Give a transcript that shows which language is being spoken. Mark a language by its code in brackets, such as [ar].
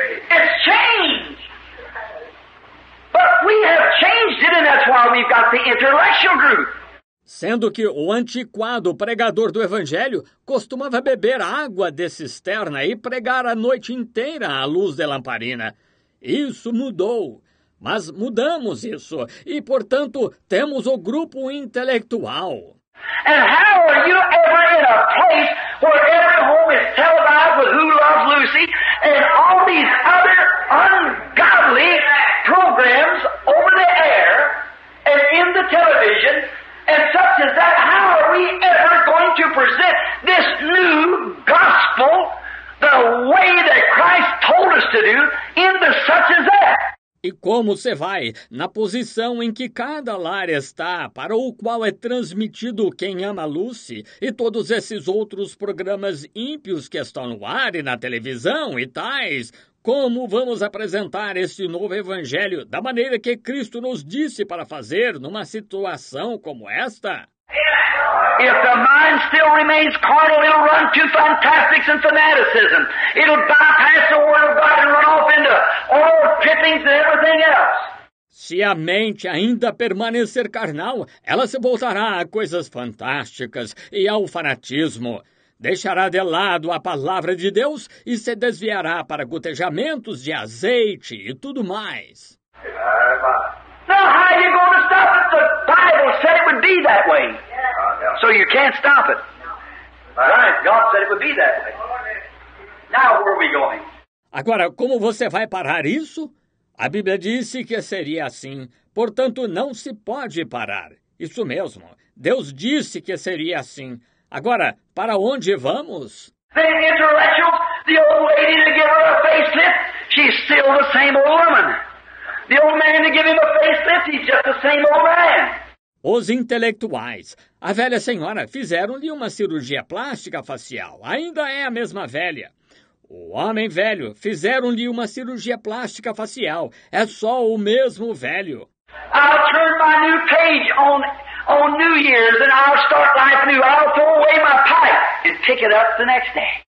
[en] It's changed. But we have changed it, and that's why we've got the intellectual group. [pt] Sendo que o antiquado pregador do Evangelho costumava beber água de cisterna e pregar a noite inteira à luz de lamparina. Isso mudou. Mas mudamos isso. E, portanto, temos o grupo intelectual. [en] And how are you ever in a place where every home is televised with Who Loves Lucy and all these other ungodly programs over the air and in the television and such as that? How are we ever going to present this new gospel the way that Christ told us to do in the such as that? [pt] E como você vai, na posição em que cada lar está, para o qual é transmitido Quem Ama Lucy e todos esses outros programas ímpios que estão no ar e na televisão e tais, como vamos apresentar este novo evangelho da maneira que Cristo nos disse para fazer numa situação como esta? [en] If the mind still remains carnal, it'll run to fantastics and fanaticism. It'll bypass the word of God and run off into all trippings and everything else. [pt] Se a mente ainda permanecer carnal, ela se voltará a coisas fantásticas e ao fanatismo. Deixará de lado a palavra de Deus e se desviará para gotejamentos de azeite e tudo mais. [en] Now, how are you going to stop it? The Bible said it would be that way. So you can't stop it. Right. God said it would be that way. Now where are we going? [pt] Agora, como você vai parar isso? A Bíblia disse que seria assim. Portanto, não se pode parar. Isso mesmo. Deus disse que seria assim. Agora, para onde vamos? [en] The intellectuals, the old lady to give her a facelift, she's still the same old woman. The old man to give him a facelift, he's just the same old man. [pt] Os intelectuais. A velha senhora fizeram-lhe uma cirurgia plástica facial. Ainda é a mesma velha. O homem velho. Fizeram-lhe uma cirurgia plástica facial. É só o mesmo velho. [en] I'll turn my new page on New Year's and I'll start life new. I'll throw away my pipe and pick it up the next day.